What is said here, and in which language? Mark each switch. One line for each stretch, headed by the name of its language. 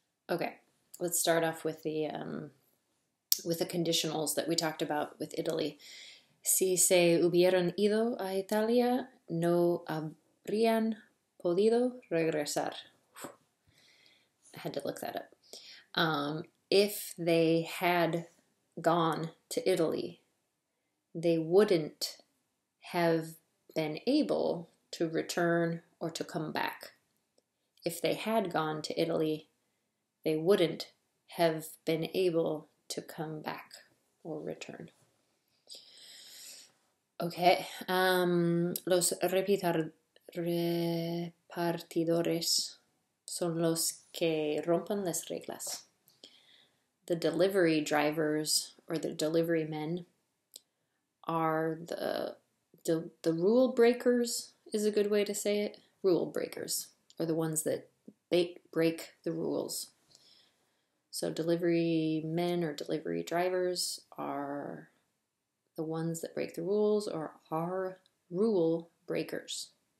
English: Okay, let's start off with the conditionals that we talked about with Italy.
Spanish: Si se hubieran ido a Italia, no habrían podido regresar.
English: I had to look that up. If they had gone to Italy, they wouldn't have been able to return or to come back. If they had gone to Italy, they wouldn't have been able to come back or return. Okay.
Spanish: Los repartidores son los que rompen las reglas.
English: The delivery drivers or the delivery men are the rule breakers is a good way to say it. Rule breakers are the ones that break the rules. So delivery men or delivery drivers are the ones that break the rules or are rule breakers.